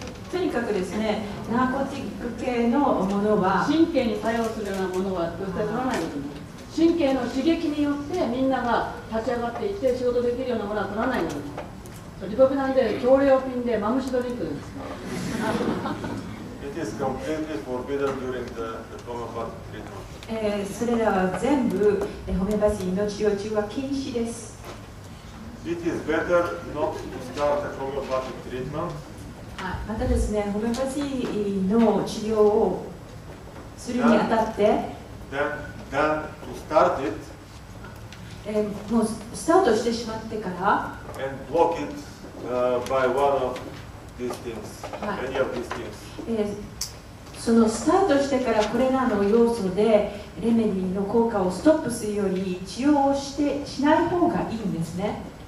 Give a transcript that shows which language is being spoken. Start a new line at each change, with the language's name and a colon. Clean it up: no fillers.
Japanese: とにかくですね、ナーコティック系のものは神経に作用するようなものは絶対取らないです。神経の刺激によってみんなが立ち上がっていって仕事できるようなものは取らないです。リポビタンで強力ピンでマムシドリンクです。
English: It is completely forbidden during the homeopathic treatment.
Japanese: それらは全部ホメオパシーの治療中は禁止です。
English: It is better not to start a homeopathic treatment
Japanese: またですね、ホメオパシーの治療をするにあたって、
English: then we started,
Japanese: もうスタートしてしまってから、
English: and block it, by one of these things, any of these things.
Japanese: そのスタートしてからこれらの要素でレメディの効果をストップするより治療をしてしない方がいいんですね。